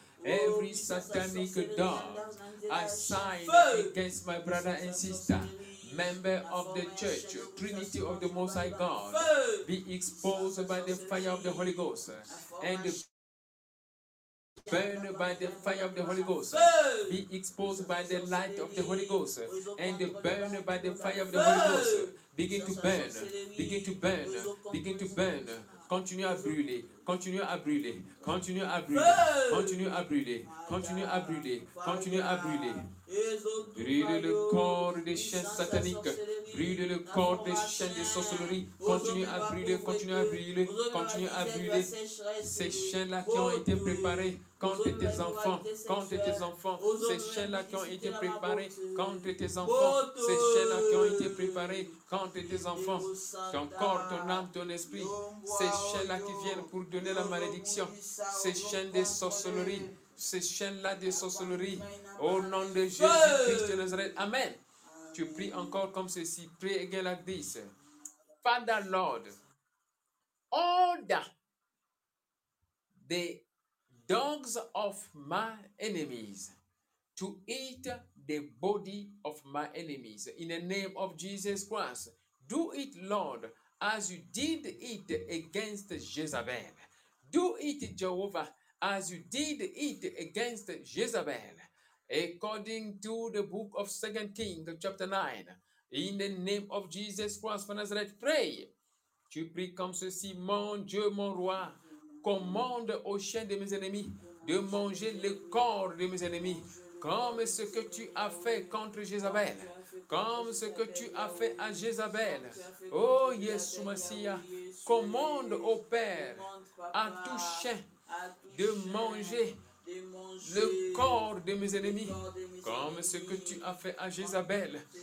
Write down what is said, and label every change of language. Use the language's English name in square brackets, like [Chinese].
[English] Every satanic door assigned against my brother and sister, member of the church, Trinity of the Most High God, be exposed by the fire of the Holy Ghost and burn by the fire of the Holy Ghost. Be exposed by the light of the Holy Ghost and burn by the fire of the Holy Ghost. Begin to burn, begin to burn, begin to burn. [French] Continue à brûler, continue à brûler, continue à brûler, continue à brûler, continue à brûler, continue à brûler. Brûle le corps des chiens sataniques, brûle le corps des chiens de sorcellerie, continue à brûler, continue à brûler, continue à brûler ces chiens-là qui ont été préparés contre tes enfants, contre tes enfants, ces chiens-là qui ont été préparés contre tes enfants, ces chiens-là qui ont été préparés contre tes enfants, ton corps, ton âme, ton esprit, ces chiens-là qui viennent pour donner la malédiction, ces chiens de sorcellerie, ces chaînes-là de sorcellerie, au nom de Jésus-Christ de Nazareth. Amen. Tu pries encore comme ceci. [English] Pray again like this. Father Lord, order the dogs of my enemies to eat the body of my enemies. In the name of Jesus Christ, do it, Lord, as you did it against Jezebel. Do it, Jehovah, as you did it against Jezebel, according to the book of 2 Kings, chapter 9, in the name of Jesus Christ of Nazareth, pray. [French] Tu pries comme ceci, mon Dieu, mon roi, commande aux chiens de mes ennemis de manger le corps de mes ennemis, comme ce que tu as fait contre Jezebel, comme ce que tu as fait à Jezebel. Oh, Yesu Messiah, commande au Père, à tout chien, de manger le corps de mes ennemis, comme ce que tu as fait à Jézabel.